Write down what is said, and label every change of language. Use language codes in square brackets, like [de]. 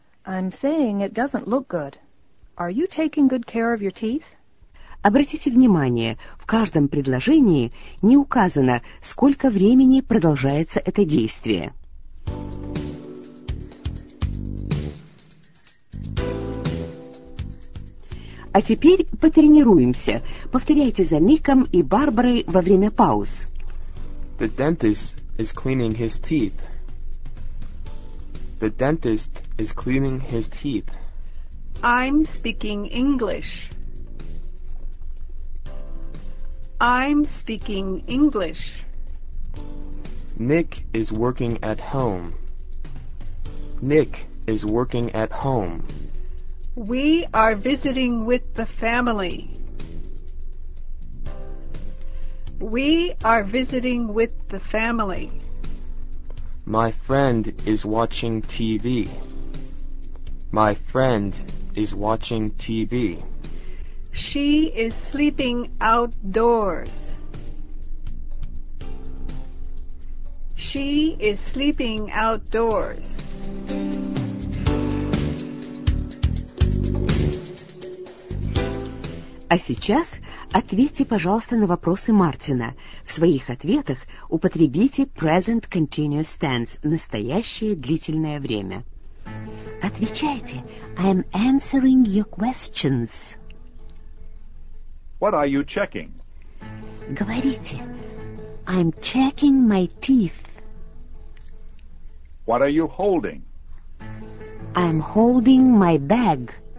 [en] I'm saying it doesn't look good. Are you taking good care of your teeth? [ru] Обратите внимание, в каждом предложении не указано, сколько времени продолжается это действие. А теперь потренируемся. Повторяйте за Ником и Барбарой во время пауз. [en] The dentist is cleaning his teeth. The dentist is cleaning his teeth. I'm speaking English. I'm speaking English. Nick is working at home. Nick is working at home. We are visiting with the family. We are visiting with the family. My friend is watching TV. My friend is watching TV. She is sleeping outdoors. She is sleeping outdoors. [ru] А сейчас ответьте, пожалуйста, на вопросы Мартина. В своих ответах употребите present continuous tense – настоящее длительное время. Отвечайте. [en] I am answering your questions. What are you checking? [ru] Говорите. [en] I'm checking my teeth. What are you holding? I'm holding my bag.